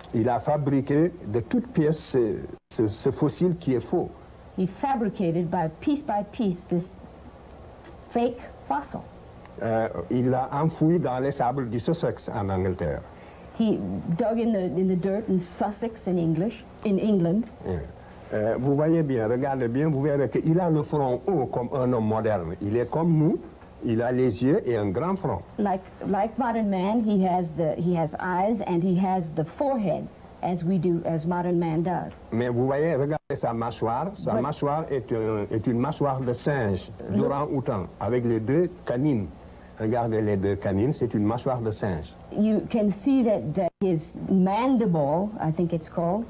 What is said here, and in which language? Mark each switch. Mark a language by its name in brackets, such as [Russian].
[French] Il a fabriqué de toutes pièces ce fossile qui est faux. [English] He fabricated by piece this fake fossil. [French] Il l'a enfoui dans les sables du Sussex en Angleterre. [English] He dug in the dirt in Sussex in England. [French] Vous voyez bien, regardez bien, vous verrez qu'il a le front haut comme un homme moderne. Il est comme nous. Il a les yeux et un grand front. [English] Like modern man, he has eyes and he has the forehead, as we do, as modern man does. [French] Mais vous voyez, regardez sa mâchoire. Mâchoire est une mâchoire de singe, d'orang-outan, avec les deux canines. Regardez les deux canines, c'est une mâchoire de singe. [English] You can see that his mandible, I think it's called,